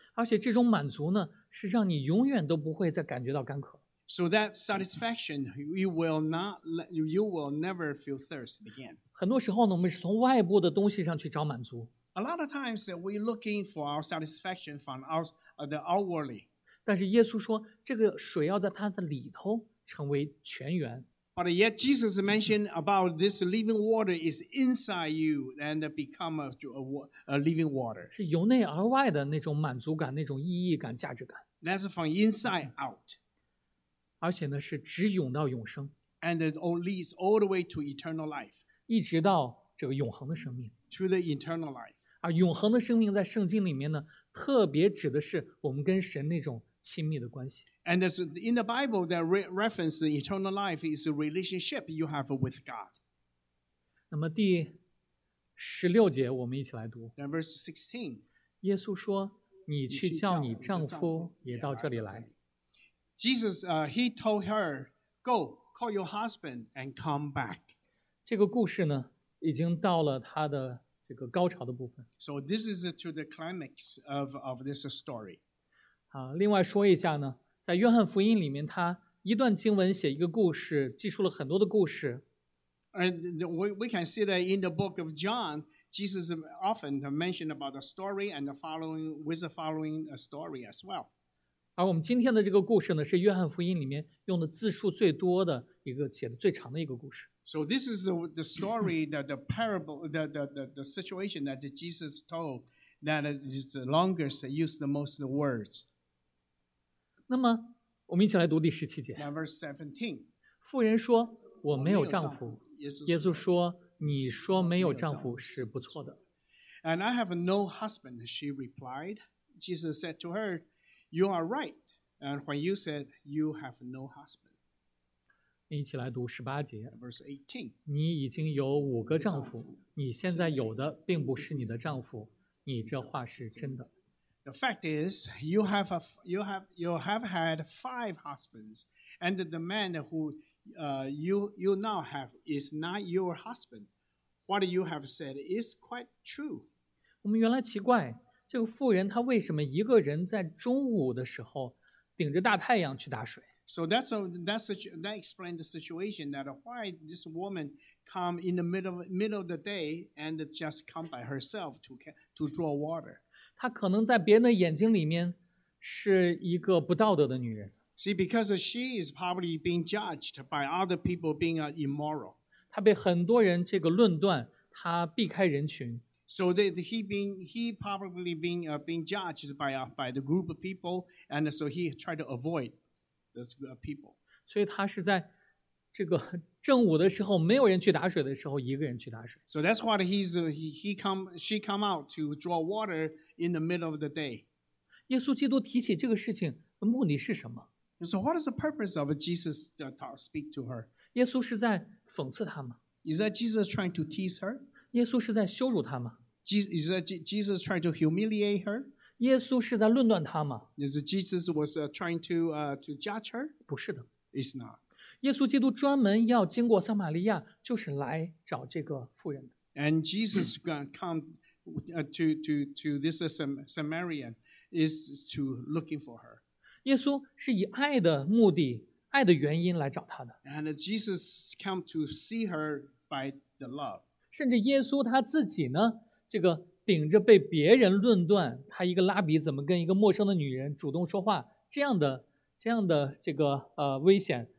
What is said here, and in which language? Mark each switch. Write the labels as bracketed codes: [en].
[zh] 而且这种满足呢，是让你永远都不会再感觉到干渴。 [en] So that satisfaction, you will never feel thirst again. [zh] 很多时候呢，我们是从外部的东西上去找满足。 [en] A lot of times we're looking for our satisfaction from the outwardly. [zh] 但是耶稣说，这个水要在它的里头成为泉源。 [en] But yet Jesus mentioned about this living water is inside you and become a living water. [zh] 是由内而外的那种满足感，那种意义感，价值感。 [en] That's from inside out. [zh] 而且呢，是直涌到永生。 [en] And it leads all the way to eternal life. [zh] 一直到这个永恒的生命。 [en] To the eternal life. [zh] 而永恒的生命在圣经里面呢，特别指的是我们跟神那种亲密的关系。 [en] And in the Bible, that reference the eternal life is a relationship you have with God. [zh] 那么第十六节我们一起来读。 [en] Then verse 16. [zh] 耶稣说，你去叫你丈夫也到这里来。 [en] Jesus, he told her, go, call your husband and come back. [zh] 这个故事呢，已经到了他的这个高潮的部分。 [en] So this is to the climax of this story. [zh] 另外说一下呢，在约翰福音里面，他一段经文写一个故事，记述了很多的故事。 [en] And we can see that in the book of John, Jesus often mentioned about the story and the following with the following story as well. [zh] 而我们今天的这个故事呢，是约翰福音里面用的字数最多的一个，写的最长的一个故事。 [en] So this is the story that the parable, the situation that Jesus told that is the longest, used the most words. [zh] 那么我们一起来读第十七节。妇人说，我没有丈夫。耶稣说，你说没有丈夫是不错的。 [en] And I have no husband, she replied. Jesus said to her, you are right. And when you said, you have no husband. [zh] 一起来读十八节。 [en] 18, [zh] 你已经有五个丈夫，你现在有的并不是你的丈夫，你这话是真的。 [en] The fact is, you have had five husbands, and the man who you now have is not your husband. What you have said is quite true. [zh] 我们原来奇怪，这个妇人她为什么一个人在中午的时候顶着大太阳去打水？ [en] So that explains the situation that why this woman come in the middle of the day and just come by herself to draw water. [zh] 她可能在别人的眼睛里面是一个不道德的女人。 [en] See, because she is probably being judged by other people being immoral. [zh] 她被很多人这个论断，她避开人群。 [en] So that he probably being judged by the group of people, and so he tried to avoid those people. [zh] 所以她是在这个正午的时候，没有人去打水的时候，一个人去打水。 [en] So that's why she come out to draw water in the middle of the day. [zh] 耶稣基督提起这个事情的目的是什么 [en] ？So what is the purpose of Jesus to speak to her? [zh] 耶稣是在讽刺她吗 [en] ？Is that Jesus trying to tease her? [zh] 耶稣是在羞辱她吗 [en] ？Is that Jesus trying to humiliate her? [zh] 耶稣是在论断她吗 [en] ？Is Jesus was trying to judge her? [zh] 不是的 [en] ，It's not. [zh] 耶稣基督专门要经过撒玛利亚，就是来找这个妇人的。 [en] And Jesus come to this Samaritan is to looking for her. [zh] 耶稣是以爱的目的、爱的原因来找她的。 [en] And Jesus come to see her by the love. [zh] 甚至耶稣他自己呢，这个顶着被别人论断，他一个拉比怎么跟一个陌生的女人主动说话，这样的这个危险。